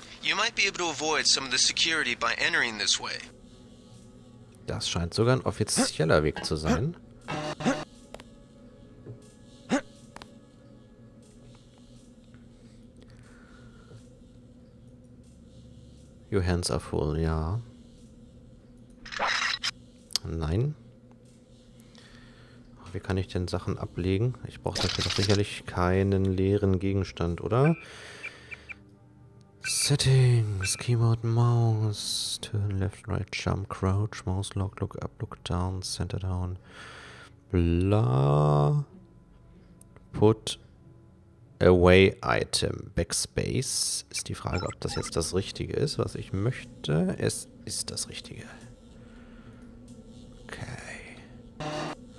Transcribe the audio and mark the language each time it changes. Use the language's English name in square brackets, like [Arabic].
[English] You might be able to avoid some of the security by entering this way. [German] Das scheint sogar ein offizieller Weg zu sein. [English] Your hands are full, [German] ja. Nein. Wie kann ich denn Sachen ablegen? Ich brauche dafür doch sicherlich keinen leeren Gegenstand, oder? [English] Settings, Keyboard, Maus, Turn left, right, jump, crouch, Mouse, lock, look up, look down, center down, bla, put, Away Item. [German] Backspace ist die Frage, ob das jetzt das Richtige ist, was ich möchte. Es ist das Richtige. Okay.